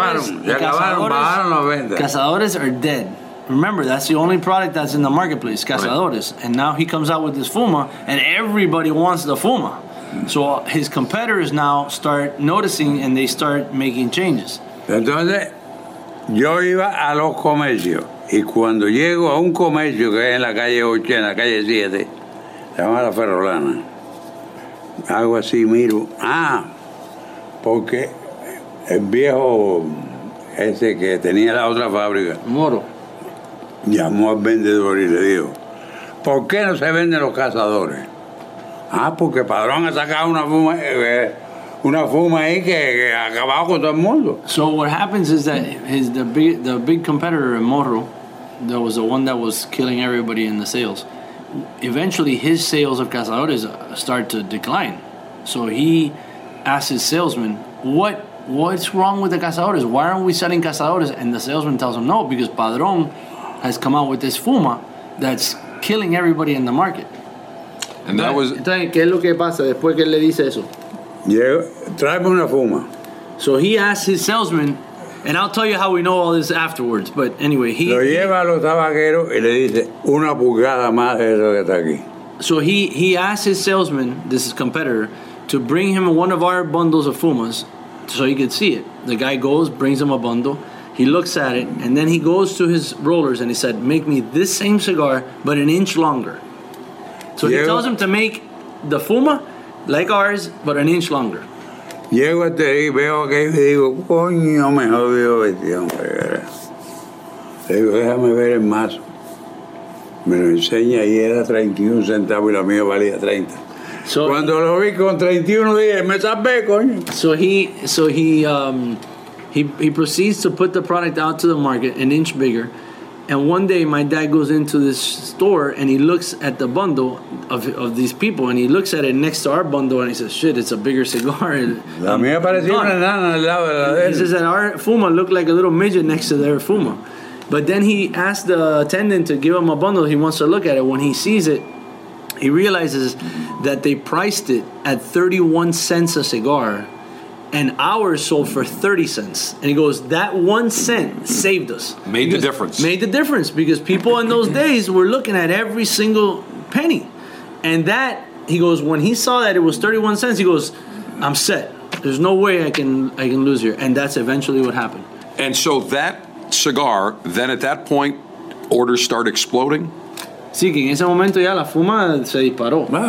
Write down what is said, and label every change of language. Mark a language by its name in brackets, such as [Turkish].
[English] Cazadores are dead. Remember, that's the only product that's in the marketplace, Cazadores. Right. And now he comes out with this Fuma, and everybody wants the Fuma. So his competitors now start noticing, and they start making changes. [Spanish] Entonces, yo iba a los comercios, y cuando llego a un comercio que es en la calle 8, en la calle 7, se llama La Ferrolana. Algo así, miro. Ah, porque el viejo ese que tenía la otra fábrica, Moro, llamó al vendedor y le dijo, ¿por qué no se venden los cazadores? Ah, porque Padrón ha sacado una fuma ahí que ha acabado con todo el mundo. [English] So what happens is that the big competitor, Moro, that was the one that was killing everybody in the sales. Eventually, his sales of Cazadores start to decline. So he asks his salesman, what's wrong with the Cazadores? Why aren't we selling Cazadores? And the salesman tells him, no, because Padron has come out with this Fuma that's killing everybody in the market. And that was... [Spanish] Entonces, ¿qué es lo que pasa después que él le dice eso? Yeah, tráeme una Fuma. [English] So he asks his salesman, and I'll tell you how we know all this afterwards, but anyway, he... [Spanish] Lo lleva a los tabaqueros y le dice, una pulgada más de eso que está aquí. [English] So he asked his salesman, this is competitor, to bring him one of our bundles of Fumas, so he could see it. The guy goes, brings him a bundle. He looks at it, and then he goes to his rollers, and he said, make me this same cigar, but an inch longer. So he tells him to make the Fuma like ours, but an inch longer. [Spanish] Llego a ti, veo que y digo, coño, me jodió este hombre. Le digo, déjame ver el mazo. Me lo enseña y era 31 centavos y lo mío valía 30. So cuando lo vi con 31, dije, me salvé, coño. [English] So he proceeds to put the product out to the market, an inch bigger. And one day, my dad goes into this store and he looks at the bundle of these people and he looks at it next to our bundle and he says, shit, it's a bigger cigar. [Spanish] La mía parecía una nana al lado de la de él. [English] He says that our Fuma looked like a little midget next to their Fuma. But then he asked the attendant to give him a bundle. He wants to look at it. When he sees it, he realizes that they priced it at 31 cents a cigar and ours sold for 30 cents. And he goes, that 1 cent saved us. Made the difference because people in those days were looking at every single penny. And that, he goes, when he saw that it was 31 cents, he goes, I'm set. There's no way I can lose here. And that's eventually what happened. And so that cigar, then at that point, orders start exploding. [Spanish] Sí, que en ese momento ya la fuma se disparó.